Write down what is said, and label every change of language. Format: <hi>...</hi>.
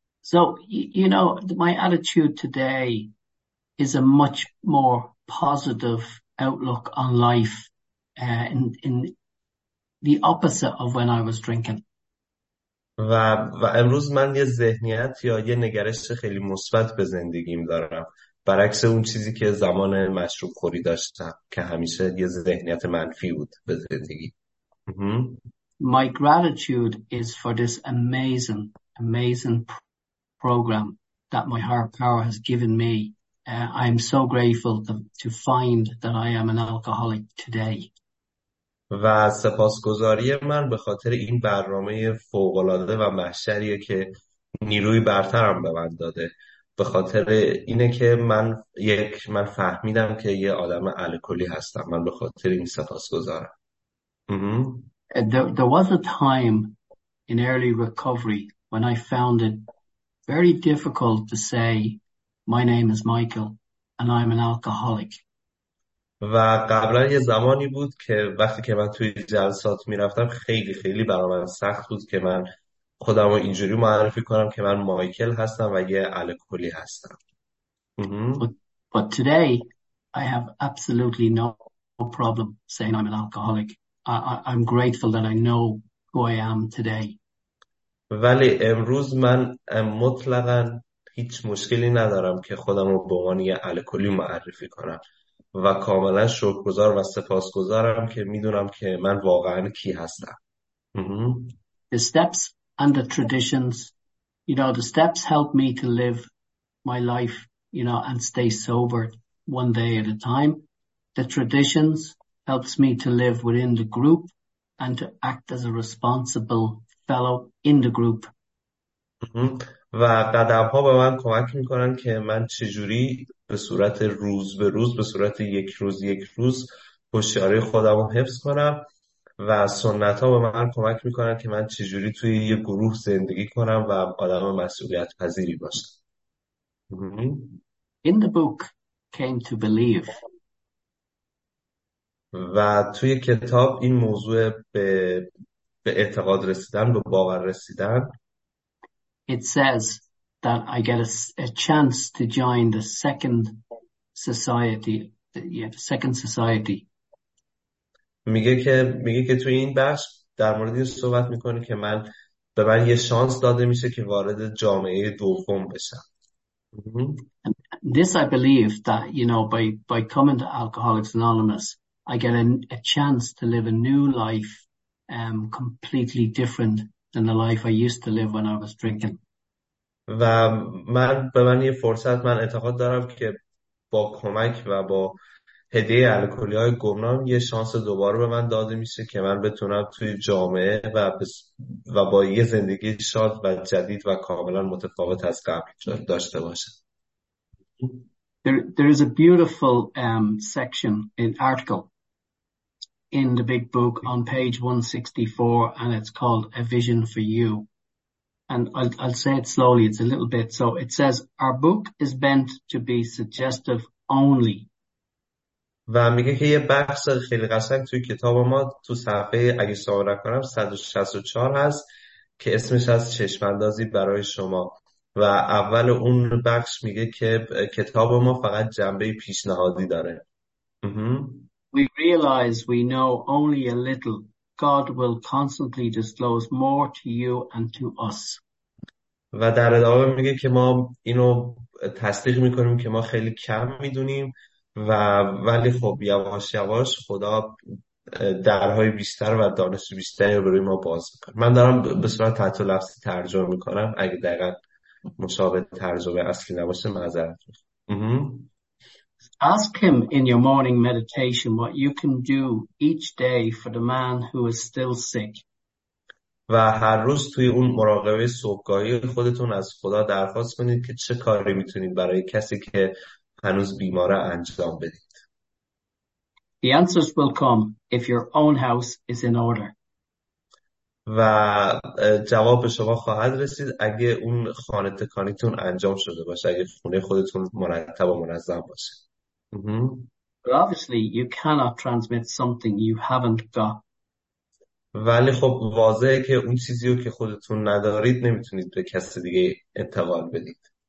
<en>So you know, my attitude today is a much more positive outlook on life in the opposite of when I was drinking.</en> <fa>و امروز من یه ذهنیت یا یه نگرش خیلی مثبت به زندگیم دارم، برعکس اون چیزی که زمان مشروب خوری داشتم که همیشه یه ذهنیت منفی بود به زندگی.</fa> <en>My gratitude is for this amazing, amazing program that my higher power has given me. I am so grateful to find that I am an alcoholic today.</en> <fa>و سپاسگزاری من به خاطر این برنامه فوق‌العاده و محشریه که نیروی برترم به من داده، به خاطر اینه که من فهمیدم که یه آدم الکلی هستم. من به خاطر این سپاسگزارم.</fa> <en>There was a time in early recovery when I found it very difficult to say my name is Michael and I'm an alcoholic.</en> <fa>و قبلا یه زمانی بود که وقتی که من توی جلسات میرفتم خیلی خیلی برای من سخت بود که من خودم رو اینجوری معرفی کنم که من مایکل هستم و یه الکلی هستم.</fa> <en>But today I have absolutely no problem saying I'm an alcoholic. I'm grateful that I know who I am today.</en> <fa>ولی امروز من مطلقا هیچ مشکلی ندارم که خودم رو به عنوان یه الکلی معرفی کنم و کاملا شکرگزار و سپاسگزارم که میدونم که من واقعا کی هستم.</fa> <en>The steps and the traditions, you know, the steps help me to live my life, you know, and stay sober one day at a time. The traditions helps me to live within the group and to act as a responsible fellow in the group.</en> <fa>و قدم ها به من کمک میکنن که من چجوری به صورت روز به روز، به صورت یک روز یک روز هوشیاری خودم رو حفظ کنم، و سنت ها به من کمک میکنن که من چجوری توی یه گروه زندگی کنم و آدم مسئولیت پذیری باشم.</fa> <en>In the book, came to believe.</en> <fa>و توی کتاب این موضوع به اعتقاد رسیدن، به باور رسیدن،</fa> <en>It says that I get a chance to join the second society, the second society.</en> <fa>میگه که توی این بخش در مورد این صحبت میکنه که من به من یه شانس داده میشه که وارد جامعه دوم بشم.</fa> <en>And this I believe that, you know, by coming to Alcoholics Anonymous, I get a chance to live a new life, completely different than the life I used to live when I was drinking.</en> <fa>و من به من یه فرصت من اعتقاد دارم که با کمک و با هدیه الکلی های گمنام یه شانس دوباره به من داده میشه که من بتونم توی جامعه و با یه زندگی شاد و جدید و کاملا متفاوت از قبل داشته باشم.</fa> <en>There is a beautiful section in article in the big book on page 164, and it's called A Vision for You. And I'll say it slowly. It's a little bit. So it says, our book is meant to be suggestive only.</en> <fa>و میگه که یه بخش خیلی قشنگ توی کتاب ما تو صفحه، اگه سوال نکنم، 164 هست که اسمش از چشم‌اندازی برای شما، و اول اون بخش میگه که کتاب ما فقط جنبه پیشنهادی داره.</fa> <en>We realize we know only a little. God will constantly disclose more to you and to us.</en> <fa>و در ادامه میگه که ما اینو تصدیق میکنیم که ما خیلی کم میدونیم، و ولی خب یواش یواش خدا درهای بیشتر و دانش بیشتری رو برای ما باز میکنه. من دارم به صورت تحت لفظی ترجمه میکنم، اگه دقیقا مشابه ترجمه اصلی نباشه معذرت میخوام.</fa> <en>Ask him in your morning meditation what you can do each day for the man who is still sick.</en> <fa>و هر روز توی اون مراقبه صبحگاهی خودتون از خدا درخواست کنید که چه کاری میتونید برای کسی که هنوز بیماره انجام بدید.</fa> <en>The answers will come if your own house is in order.</en> <fa>و جواب به شما خواهد رسید اگه اون خانه تکانیتون انجام شده باشه، اگه خونه خودتون مرتب و منظم باشه.</fa> <en>But obviously you cannot transmit something you haven't got.</en> <fa>ولی خب واضحه که اون چیزی رو که خودتون ندارید نمیتونید به کسی دیگه انتقال بدید.</fa>